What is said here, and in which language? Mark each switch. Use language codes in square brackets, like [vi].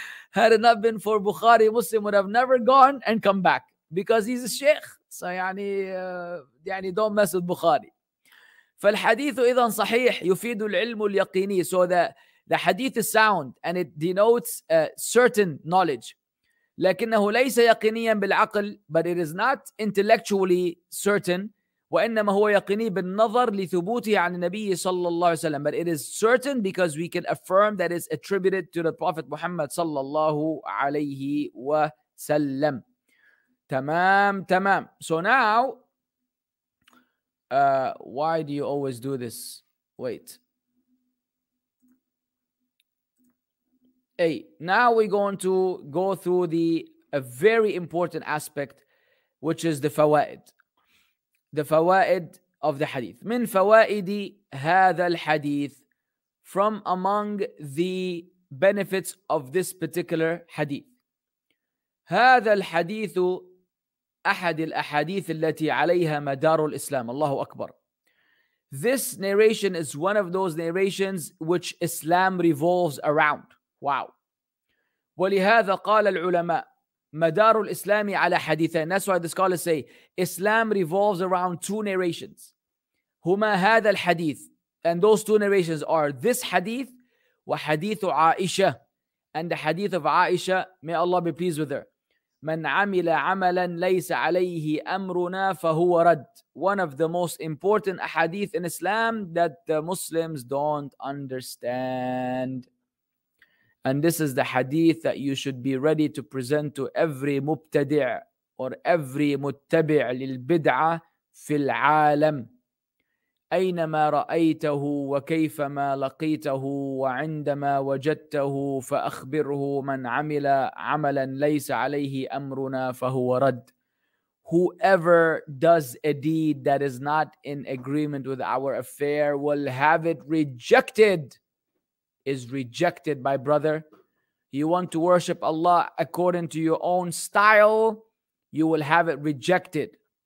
[en] Had it not been for Bukhari, Muslim would have never gone and come back, because he's a sheikh. So يعني don't mess with Bukhari. [ar] فالحديث إذا صحيح يفيد العلم اليقيني. [en] So the hadith is sound and it denotes certain knowledge. [ar] لكنه ليس يقينيا بالعقل, [en] but it is not intellectually certain. [ar] وإنما هو يقيني بالنظر لثبوته عن النبي صلى الله عليه وسلم. [en] But it is certain because we can affirm that it's attributed to the Prophet Muhammad [ar] صلى الله عليه وسلم. تمام. [en] So now, why do you always do this? Wait. Hey, now we're going to go through a very important aspect, which is the fawaid. The fawaid of the hadith. [ar] من فوائد هذا الحديث. [en] From among the benefits of this particular hadith. [ar] هذا الحديث أحد الأحاديث التي عليها مدار الإسلام. الله أكبر. [en] This narration is one of those narrations which Islam revolves around. Wow. [ar] ولهذا قال العلماء مدار الإسلام على حديثين. [en] That's why the scholars say Islam revolves around two narrations. [ar] هما هذا الحديث. [en] And those two narrations are this hadith [ar] وحديث عائشة. [en] And the hadith of Aisha, may Allah be pleased with her. [ar] من عمل عملا ليس عليه أمرنا فهو رد. [en] One of the most important ahadith in Islam that the Muslims don't understand. And this is the hadith that you should be ready to present to every mubtadi' or every [ar] muttabi' lil-bid'a fi al-'alam. أينما رأيته وكيفما لقيته وعندما وجدته فأخبره من عمل عملا ليس عليه أمرنا فهو رد. [en] Whoever does a deed that is not in agreement with our affair will have it rejected. Is rejected, my brother. You want to worship Allah according to your own style, you will have it rejected.